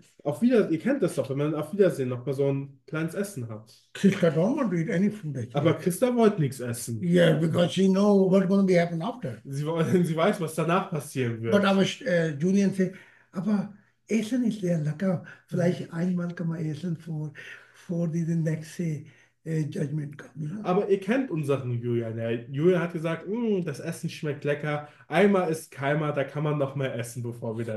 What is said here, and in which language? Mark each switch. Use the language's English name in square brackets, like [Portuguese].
[German] Auf Wiedersehen, ihr kennt das doch, wenn man auf Wiedersehen noch mal so ein kleines Essen hat. [English] Christa don't want to eat any food [German] Aber [English] actually. [German] Christa wollte nichts essen. [English] Yeah, because she know what's going to be happen after. [German] Sie weiß, was danach passieren [English] But [German] wird. aber Julian sagt, aber Essen ist sehr lecker. Vielleicht einmal kann man essen vor diesem nächsten Judgment kommen. Aber ihr kennt unseren Julian. Ja, Julian hat gesagt, das Essen schmeckt lecker. Einmal ist keimer, da kann man noch mehr essen, bevor wir da